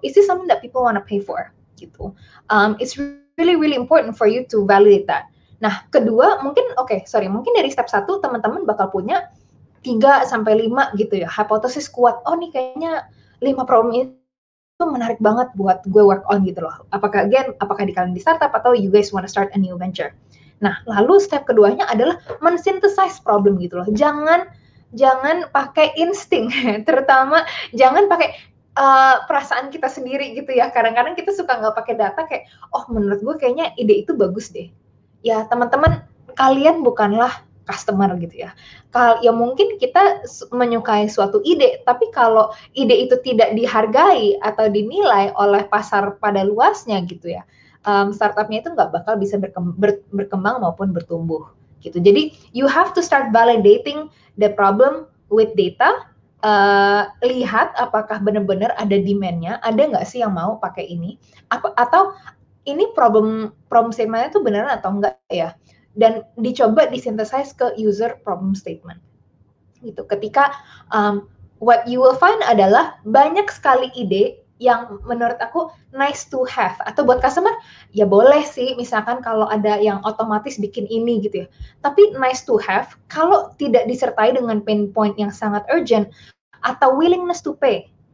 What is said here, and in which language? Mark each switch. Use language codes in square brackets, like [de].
[en] Is this something that people wanna pay for? Gitu. It's really really important for you to validate that. [id] Nah, kedua, mungkin dari step 1 teman-teman bakal punya 3 sampai 5 gitu ya, hipotesis kuat. Oh, nih kayaknya 5 problem itu menarik banget buat gue [en] work on [id] gitu loh. Apakah di kalian di startup atau [en] you guys wanna start a new venture. [id] Nah, lalu step keduanya adalah mensynthesize problem gitu loh. Jangan pakai insting, terutama jangan pakai perasaan kita sendiri gitu ya. Kadang-kadang kita suka nggak pakai data, kayak oh menurut gue kayaknya ide itu bagus deh. Ya teman-teman, kalian bukanlah customer gitu ya. Ya mungkin kita menyukai suatu ide, tapi kalau ide itu tidak dihargai atau dinilai oleh pasar pada luasnya gitu ya, startupnya itu nggak bakal bisa berkembang maupun bertumbuh gitu. [en] Jadi you have to start validating the problem with data. [id] Lihat apakah benar-benar ada demand-nya, ada nggak sih yang mau pakai ini, atau ini problem statement-nya itu beneran atau enggak ya, dan dicoba disynthesize ke user problem statement gitu. Ketika [en] what you will find [id] adalah banyak sekali ide yang menurut aku [en] nice to have, [id] atau buat customer ya boleh sih misalkan kalau ada yang otomatis bikin ini gitu ya, tapi nice to have kalau tidak disertai dengan pain point yang sangat urgent atau [en] willingness to pay.